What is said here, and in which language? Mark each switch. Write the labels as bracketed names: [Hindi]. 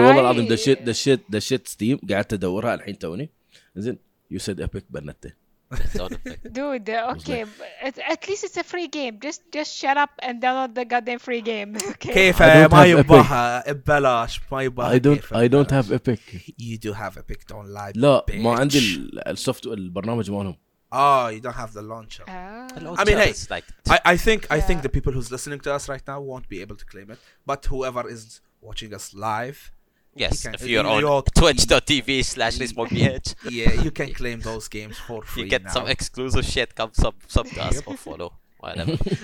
[Arabic] والله العظيم [English] the shit [Arabic] Steam قعدت أدورها الحين توني. [English] زين. You said Epic بنتي. Dude, okay, at least it's a free game. Just shut up and download the goddamn free game. [Arabic] كيف ما يباها ببلاش ما يباها. [English] I don't have Epic. You do have Epic, don't lie. [Arabic] لا ما عندي السوفت البرنامج مالهم. [English] Oh, you don't have the launcher. I mean, hey, I think the people who's listening to us right now won't be able to claim it. But whoever is watching us live. Yes, if you're on twitch.tv/lismobh. Yeah, you can claim those games for free. You get now. Some exclusive shit, come sub to us or follow. Whatever.